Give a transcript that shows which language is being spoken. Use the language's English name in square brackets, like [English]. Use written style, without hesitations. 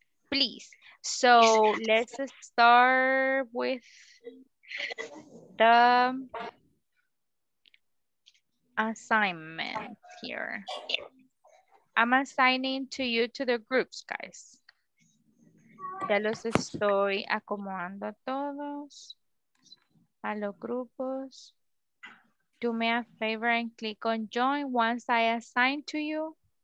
[English] Please. So let's start with the assignment here. I'm assigning to you to the groups, guys. [Spanish] Ya los estoy acomodando a todos, a los grupos. [English] Do me a favor and click on join once I assign to you.